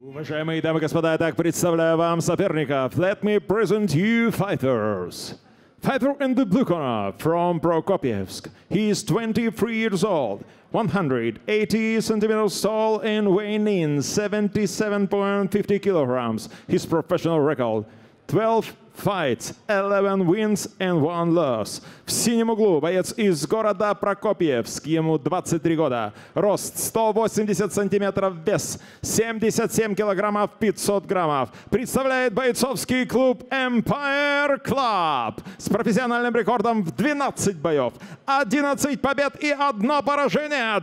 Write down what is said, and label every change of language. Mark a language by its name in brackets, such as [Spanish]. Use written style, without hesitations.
[Russian] Уважаемые дамы и господа, я так представляю вам соперников. [English] Let me present you fighters. Fighter in the blue corner from Prokopievsk. He is 23 years old, 180 centimeters tall and weighing in 77.50 kilograms. His professional record 12 fights, 11 wins and 1 loss. [Russian] В синем углу боец из города Прокопьевск, ему 23 года. Рост 180 сантиметров, вес 77 килограммов, 500 граммов. Представляет бойцовский клуб Empire Club с профессиональным рекордом в 12 боев, 11 побед и 1 поражение.